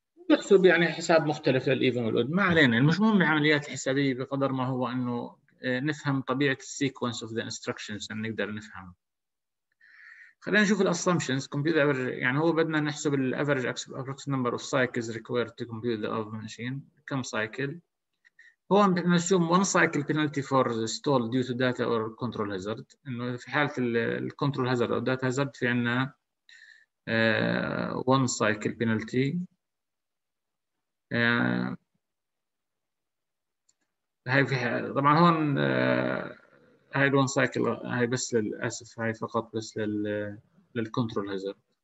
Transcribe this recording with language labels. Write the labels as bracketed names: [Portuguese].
[Arabic] يحسب يعني حساب مختلف للإيفن والأود، ما علينا. المش مهم بعمليات الحسابية بقدر ما هو أنه نفهم طبيعة السيكونس [English] of the instructions [Arabic] أن نقدر نفهمه. خلينا نشوف الأسامشنز. كمبيوتر أفرج يعني هو بدنا نحسب الأفرج أبروكس نمبر [English] of cycles required to compute the other machine. [Arabic] كم سايكل هو بدنا نشوف. [English] one cycle penalty for the stall due to data or control hazard. [Arabic] أنه في حالة الcontrol hazard أو data hazard في عنا [English] one cycle penalty. [Arabic] هاي في طبعا هون هاي الون سايكل هاي بس للاسف هاي فقط بس للكنترول هازارد.